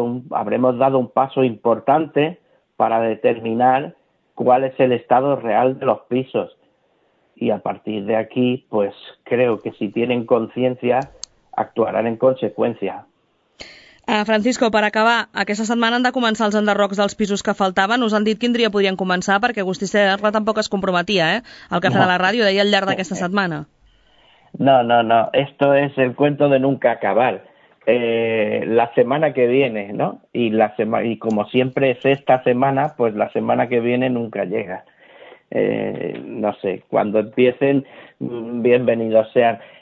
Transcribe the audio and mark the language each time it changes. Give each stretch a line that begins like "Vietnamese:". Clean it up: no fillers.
Spanish: Habremos dado un paso importante para determinar cuál es el estado real de los pisos. Y a partir de aquí, pues creo que si tienen conciencia, actuarán en consecuencia.
Catalan: Francisco, per acabar, aquesta setmana han de començar els enderrocs dels pisos que faltaven. Us han dit quin dia podrien començar, perquè Agustí Serra tampoc es comprometia, al Cafè de la Ràdio, deia al llarg d'aquesta setmana.
Spanish: No, no, no, esto es el cuento de nunca acabar. La semana que viene, ¿no? Y como siempre es esta semana, pues la semana que viene nunca llega. No sé, cuando empiecen, bienvenidos sean.